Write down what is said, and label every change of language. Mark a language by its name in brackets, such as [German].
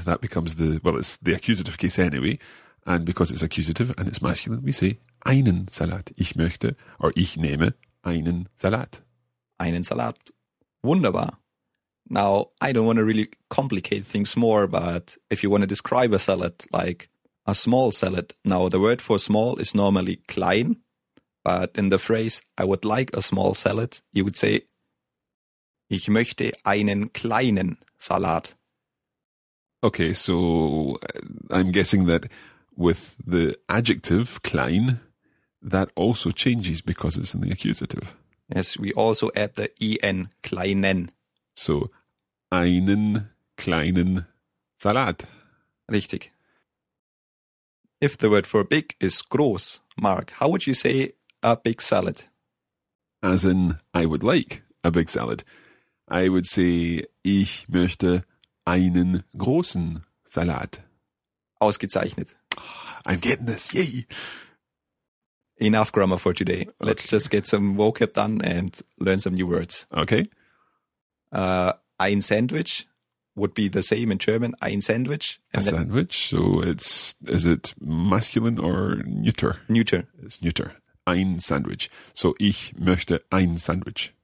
[English] That becomes the, well, it's the accusative case anyway. And because it's accusative and it's masculine, we say einen Salat. [German] Ich möchte, or ich nehme, einen Salat. Einen Salat. Wunderbar. [English] Now, I don't want to really complicate things more, but if you want to describe a salad, like a small salad. Now, the word for small is normally klein, but in the phrase, I would like a small salad, you would say, ich möchte einen kleinen Salat. Okay, so I'm guessing that with the adjective klein, that also changes because it's in the accusative. Yes, we also add the en, kleinen. [German] So, einen kleinen Salat. Richtig. [English] If the word for big is groß, Mark, how would you say a big salad? As in, I would like a big salad. [German] I would say, ich möchte einen großen Salat. Ausgezeichnet. [English] I'm getting this, yay! Enough grammar for today. Let's okay. Just get some vocab done and learn some new words. Okay. Ein Sandwich would be the same in German, ein Sandwich. And a sandwich, so it's, is it masculine or neuter? Neuter. It's neuter. Ein Sandwich. [German] So ich möchte ein Sandwich.